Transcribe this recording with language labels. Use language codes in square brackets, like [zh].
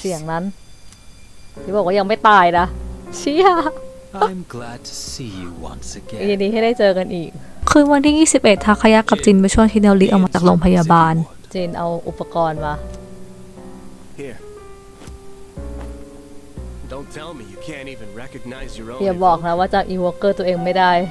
[th] เสียงนั้นที่บอกว่ายังไม่ตายนะเชีย [en] I'm glad to see you once again. [th] ยินดีให้ได้เจอกันอีก คืนวันที่21ทาคายะกับจินไปช่วยทีเดลลีออกมาจากโรงพยาบาล จินเอาอุปกรณ์มา [en] HereDon't tell me you can't even recognize your own. [th] อย่าบอกนะว่าจำอีวอล์กเกอร์ตัวเองไม่ได